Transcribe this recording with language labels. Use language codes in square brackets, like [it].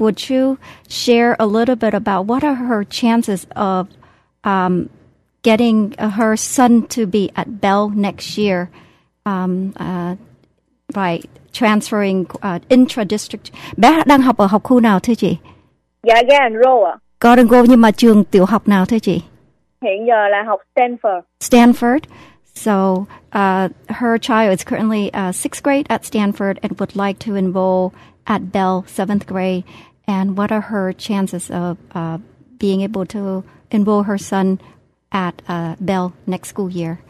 [en] Would you share a little bit about what are her chances of getting her son to be at Bell next year by transferring intra-district? [vi] Bé đang học ở học khu nào thưa chị? Dạ, Garden Grove. Garden Grove, nhưng mà trường tiểu học nào thưa chị? Hiện giờ là học Stanford. Stanford. [en] So her child is currently 6th grade at Stanford and would like to enroll at Bell 7th grade. And what are her chances of being able to enroll her son at Bell next school year?